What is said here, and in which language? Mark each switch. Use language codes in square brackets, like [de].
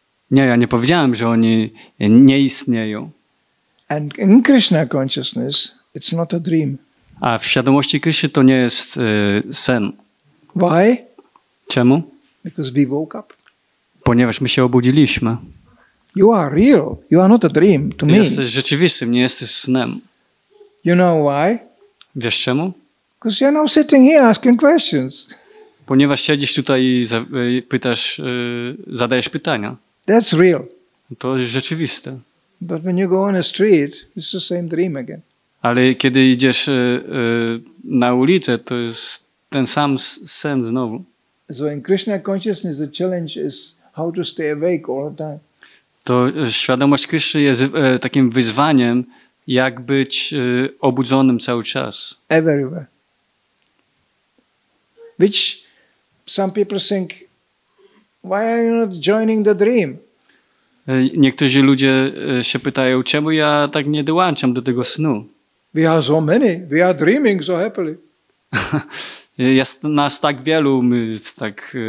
[pl] Nie, ja nie powiedziałem, że oni nie istnieją. [en] And in Krishna consciousness, it's not a dream. [pl] A w świadomości Krishny to nie jest sen. [en] Why? [pl] Czemu? [en] Because we woke up. [pl] Ponieważ my się obudziliśmy. [en] You are real. You are not a dream to me. [pl] Jesteś rzeczywistym, nie jesteś snem. [en] You know why? [pl] Wiesz czemu? [en] Because you're now sitting here asking questions. [pl] Ponieważ siedzisz tutaj i pytasz, zadajesz pytania. [en] That's real. [pl] To jest rzeczywiste. [en] But when you go on the street, it's the same dream again. [pl] Ale kiedy idziesz na ulicę, to jest ten sam sen znowu. [en] So in Krishna consciousness, the challenge is how to stay awake all the time. [pl] To świadomość Krishny jest takim wyzwaniem, jak być obudzonym cały czas. [en] Everywhere. Which some people think, why are you not joining the dream? [pl] Niektórzy ludzie się pytają, czemu ja tak nie dołączam do tego snu? [en] We are so many, we are dreaming so happily. [pl] Jest nas tak wielu, my tak